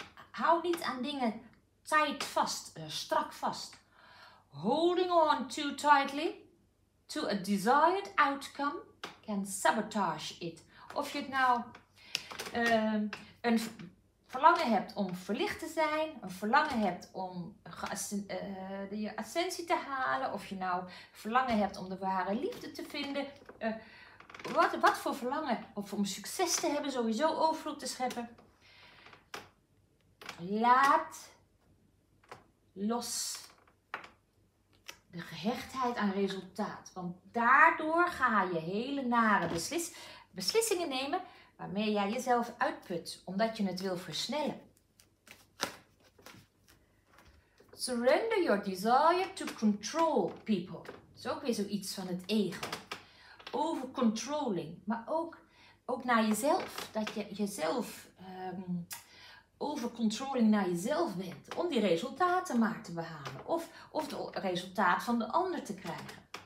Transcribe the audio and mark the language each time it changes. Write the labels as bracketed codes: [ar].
[nl] Hou niet aan dingen tight vast, strak vast. [en] Holding on too tightly to a desired outcome can sabotage it. [nl] Of je het nou een verlangen hebt om verlicht te zijn, een verlangen hebt om je ascensie te halen, of je nou verlangen hebt om de ware liefde te vinden. Wat voor verlangen, of om succes te hebben, sowieso overvloed te scheppen. Laat los de gehechtheid aan resultaat. Want daardoor ga je hele nare beslissingen nemen waarmee jij jezelf uitput, omdat je het wil versnellen. [en] Surrender your desire to control people. [nl] Dat is ook weer zoiets van het ego. Over controlling, maar ook naar jezelf. Dat je jezelf over controlling naar jezelf bent. Om die resultaten maar te behalen. Of het resultaat van de ander te krijgen.